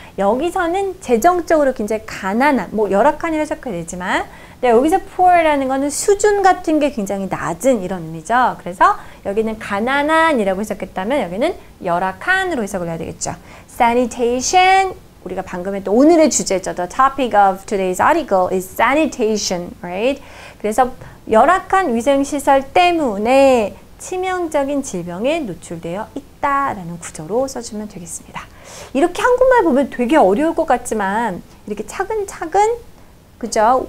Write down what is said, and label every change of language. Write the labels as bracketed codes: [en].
[ko] 여기서는 재정적으로 굉장히 가난한, 뭐 열악한이라고 해석해야 되지만, 네, 여기서 poor라는 거는 수준 같은 게 굉장히 낮은 이런 의미죠. 그래서 여기는 가난한이라고 해석했다면 여기는 열악한으로 해석을 해야 되겠죠. sanitation, 우리가 방금 했던 오늘의 주제죠. [en] The topic of today's article is sanitation, right? [ko] 그래서 열악한 위생시설 때문에 치명적인 질병에 노출되어 있다라는 구조로 써주면 되겠습니다. 이렇게 한국말 보면 되게 어려울 것 같지만 이렇게 차근차근 그죠?